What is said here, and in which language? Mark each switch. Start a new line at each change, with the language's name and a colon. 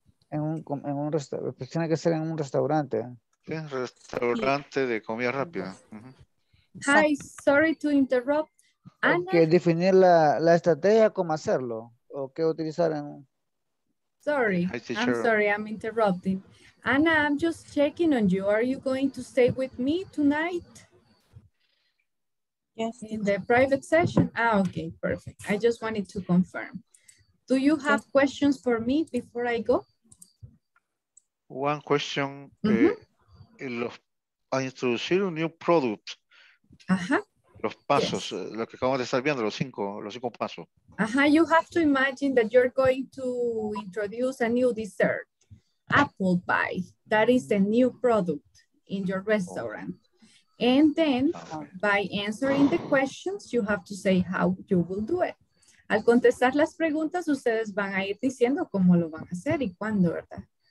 Spanish: en un restaurante, tiene que ser en un restaurante. Sí, restaurante de comida rápida.
English: Hi, sorry to interrupt.
Spanish: Ana, que definir la estrategia, cómo hacerlo o qué utilizar en.
English: Sorry, I'm sorry, I'm interrupting. Ana, I'm just checking on you. Are you going to stay with me tonight? Yes. In the private session? Ah, okay, perfect. I just wanted to confirm. Do you have questions for me before I go? One question. Mm-hmm.
Spanish: Introducir un
English: new product. Ajá.
Spanish: Los pasos, yes. Lo que acabamos de estar viendo, los cinco pasos.
English: Ajá, you have to imagine that you're going to introduce a new dessert. Apple pie, that is the new product in your restaurant. And then by answering the questions, you have to say how you will do it.
Spanish: Al contestar las preguntas, ustedes van a ir diciendo cómo lo van a hacer y cuándo, ¿verdad?